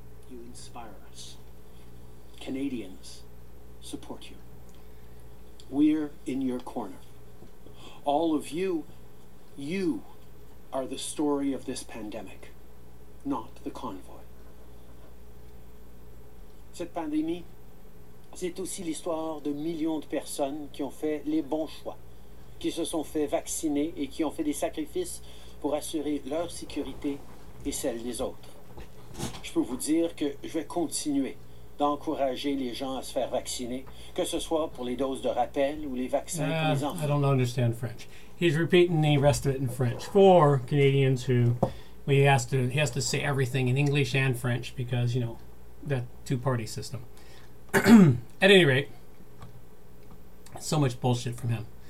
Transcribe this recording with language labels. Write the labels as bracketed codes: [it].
[en] You inspire us. Canadians support you. We're in your corner. All of you, you are the story of this pandemic. Not the convoy. [fr] Cette pandémie, c'est aussi l'histoire de millions de personnes qui ont fait les bons choix, qui se sont fait vacciner et qui ont fait des sacrifices pour assurer leur sécurité et celle des autres. Je peux vous dire que je vais continuer d'encourager les gens à se faire vacciner, que ce soit pour les doses de rappel ou les vaccins pour les enfants. [en] I don't understand French. He's repeating the rest of it in French for Canadians who. He has to say everything in English and French because, you know, that two-party system. At any rate, so much bullshit from him.